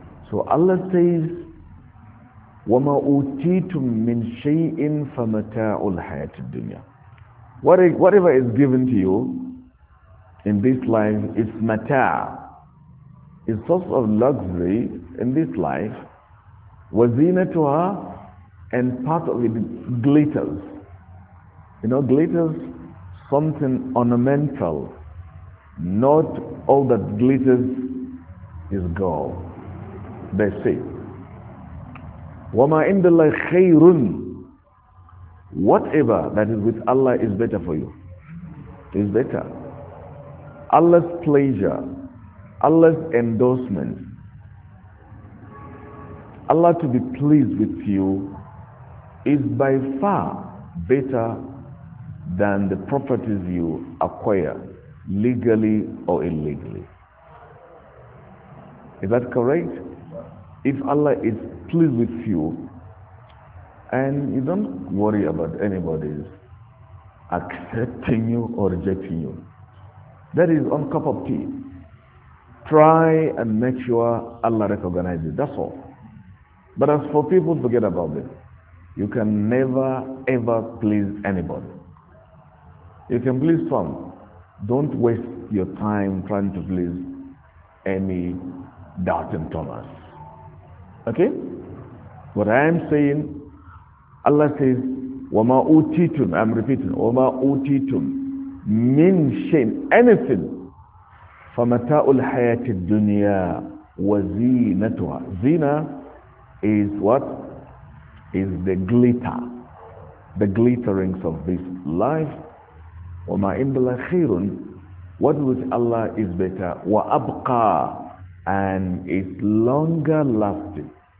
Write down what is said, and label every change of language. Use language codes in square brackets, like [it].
[en] So Allah says, [ar] وَمَا أُوتِيتُم مِّن شَيْءٍ فَمَتَاعُ الْحَيَاةِ الدُّنْيَا. [en] Whatever is given to you in this life is mata'. It's source of luxury in this life. [ar] وَزِينَتُهَا, [en] and part of it glitters. You know, glitters, something ornamental. Not all that glitters is gold. They say, [ar] وَمَا عِنْدَ اللَّهِ خَيْرٌ. [en] Whatever that is with Allah is better for you. Is better. Allah's pleasure, Allah's endorsement, Allah to be pleased with you is by far better than the properties you acquire, legally or illegally. Is that correct? If Allah is pleased with you, and you don't worry about anybody's accepting you or rejecting you, that is on cup of tea. Try and make sure Allah recognizes, that's all. But as for people, forget about it. You can never ever please anybody. You can please some. Don't waste your time trying to please any Dalton Thomas. Okay? What I am saying, Allah says, [ar] وَمَا أُوتِيتُمْ, [en] I'm repeating, [ar] وَمَا أُوتِيتُمْ مِنْ شَيْءٍ, [en] anything, [ar] فَمَتَاءُ الْحَيَاةِ الدُّنْيَا وَزِينَتُهَا. [en] Zina is what? Is the glitter, the glitterings of this life. [ar] وَمَا عِنْدَ اللَّهِ خَيْرٌ, [en] what with Allah is better. [ar] وَأَبْقَى, [en] and is longer lasting.